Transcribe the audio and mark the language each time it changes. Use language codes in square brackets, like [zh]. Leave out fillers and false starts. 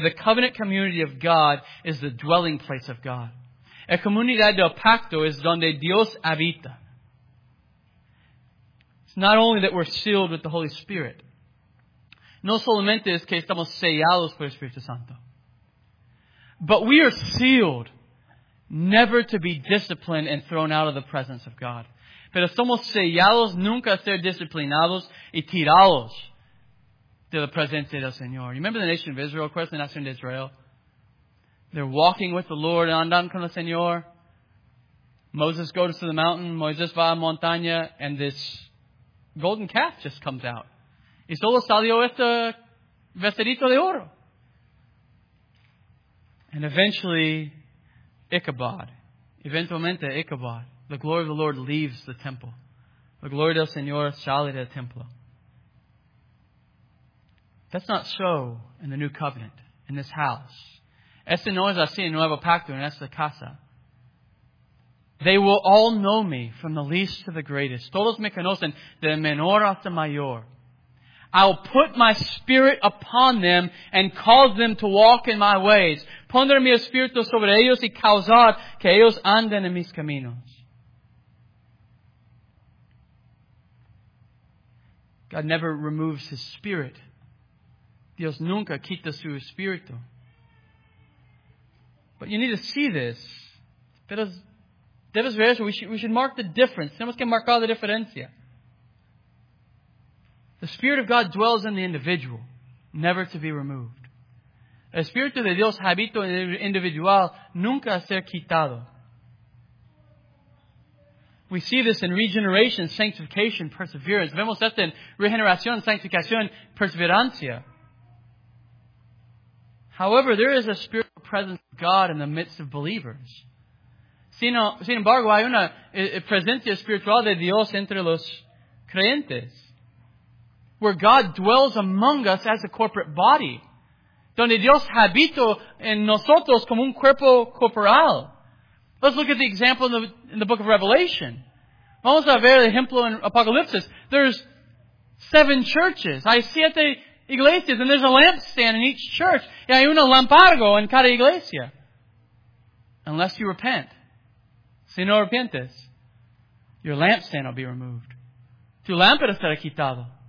[en] The covenant community of God is the dwelling place of God. [es] La comunidad del pacto es donde Dios habita. [en] It's not only that we're sealed with the Holy Spirit. [es] No solamente es que estamos sellados por el Espíritu Santo. [en] But we are sealed never to be disciplined and thrown out of the presence of God. [es] Pero somos sellados nunca a ser disciplinados y tirados de la presencia del Señor. [en] Remember the nation of Israel, of course, the nation of Israel. They're walking with the Lord, [es] andan con el Señor. [en] Moses goes to the mountain, [es] Moisés va a montaña, [en] and this golden calf just comes out. [es] Y solo salió este vestidito de oro. [en] And eventually, Ichabod. [es] Eventualmente, Ichabod. [en] The glory of the Lord leaves the temple. The glory [es] del Señor sale del templo. [en] That's not so in the new covenant, in this house. [es] Este no es así en nuevo pacto, en esta casa. [en] They will all know me from the least to the greatest. [es] Todos me conocen de menor hasta mayor. [en] I'll put my Spirit upon them and cause them to walk in my ways. [es] Pondré mi Espíritu sobre ellos y causar que ellos anden en mis caminos. [en] God never removes His Spirit. [es] Dios nunca quita su Espíritu. [en] But you need to see this. [es] Pero debes ver eso. [en] We should mark the difference. [es] Tenemos que marcar la diferencia. [en] The Spirit of God dwells in the individual, never to be removed. [es] El Espíritu de Dios habita en el individual, nunca a ser quitado. [en] We see this in regeneration, sanctification, perseverance. [es] Vemos esto en regeneración, sanctificación, perseverancia. [en] However, there is a spiritual presence of God in the midst of believers. [es] Sin embargo, hay una presencia espiritual de Dios entre los creyentes. [en] Where God dwells among us as a corporate body. [es] Donde Dios habita en nosotros como un cuerpo corporal. [en] Let's look at the example in the book of Revelation. [es] Vamos a ver el ejemplo en Apocalipsis. [en] There's seven churches. [es] Hay siete iglesias [en] and there's a lampstand in each church. [es] Y hay un lampargo en cada iglesia. [en] Unless you repent. [es] Si no arrepientes, [en] your lampstand will be removed. [es] Tu lámpara será quitado.